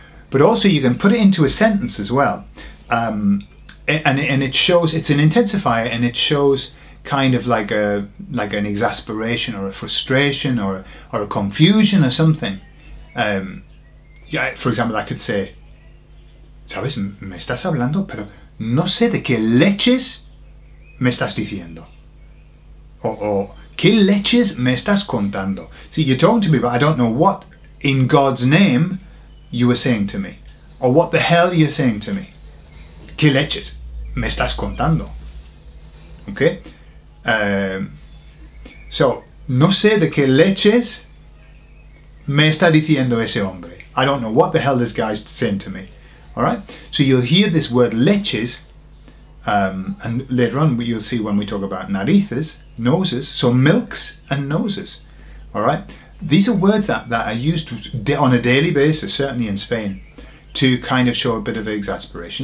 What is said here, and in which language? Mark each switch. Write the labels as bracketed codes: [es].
[en] But also you can put it into a sentence as well. And it shows, it's an intensifier, and it shows kind of like a like an exasperation or a frustration or a confusion or something. For example, I could say, [es] ¿sabes? Me estás hablando, pero no sé de qué leches me estás diciendo. Or ¿qué leches me estás contando? [en] See, you're talking to me, but I don't know what in God's name you were saying to me, or what the hell you're saying to me. [es] ¿Qué leches me estás contando? Okay? So, no sé de qué leches me está diciendo ese hombre. [en] I don't know what the hell this guy's saying to me. Alright? So you'll hear this word leches, and later on you'll see when we talk about narices, noses, so milks and noses. Alright? These are words that are used on a daily basis, certainly in Spain, to kind of show a bit of exasperation.